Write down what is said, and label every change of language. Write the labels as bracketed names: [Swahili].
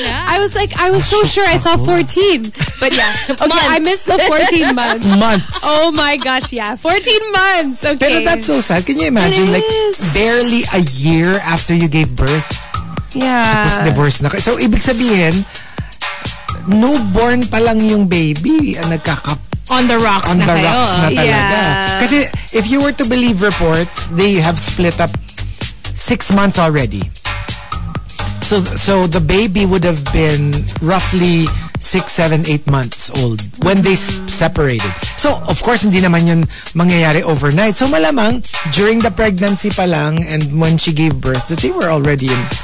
[English] I was like, I was so sure I saw 14. But yeah. Okay, I missed the 14 months. Months. Oh my gosh, yeah. 14 months. Okay. Pero that's so sad. Can you imagine, like, barely a year after you gave birth? Yeah. [Filipino] Tapos divorce na kayo. So, ibig sabihin, newborn pa lang yung baby ang nagkakap. [English] On the rocks on [Filipino] na [English] the [Filipino] kayo. [English] On the rocks [Filipino] na talaga. [English] Kasi, if you were to believe reports, they have split up 6 months already. So the baby would have been roughly 6, 7, 8 months old when they separated. So, of course, [Filipino] hindi naman yun mangyayari [English] overnight. So, [Filipino] malamang, [English] during the pregnancy [Filipino] pa lang [English] and when she gave birth, that they were already in...